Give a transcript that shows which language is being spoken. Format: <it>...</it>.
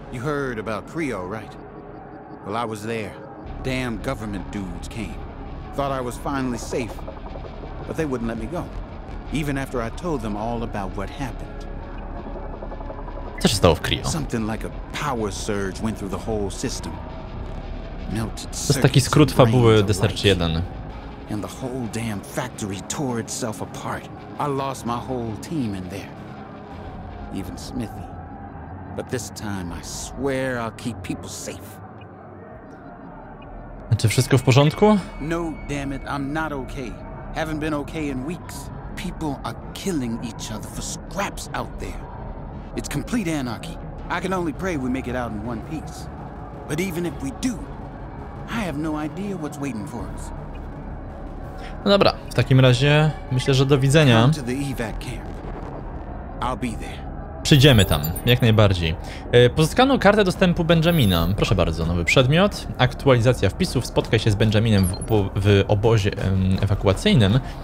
<en>You heard about Creo, right? Well, I was there. Damn government dudes came. Thought I was finally safe, but they wouldn't let me go. Even after I told them all about what happened.</en> <pl>Co się stało w Creo?</pl> <en>Something like a power surge went through the whole system. Melted circuits.</en> <pl>To jest taki skrót fabuły Desercie 1.</pl> <en>And the whole damn factory tore itself apart. I lost my whole team in there. Even Smithy. But this time I swear I'll keep people safe.</en> <pl>Czy wszystko w porządku?</pl> <en>No, damn it, I'm not okay. Haven't been okay in weeks. People are killing each other for scraps out there. It's complete anarchy. I can only pray we make it out in one piece. But even if we do, I have no idea what's waiting for us.</en> <pl>No dobra, w takim razie myślę, że do widzenia.</pl> <en>Come to the evac camp. I'll be there.</en> <pl>Przyjdziemy tam, jak najbardziej. Pozyskano kartę dostępu Benjamina. Proszę bardzo, nowy przedmiot. Aktualizacja wpisów. Spotkaj się z Benjaminem w obozie ewakuacyjnym.</pl>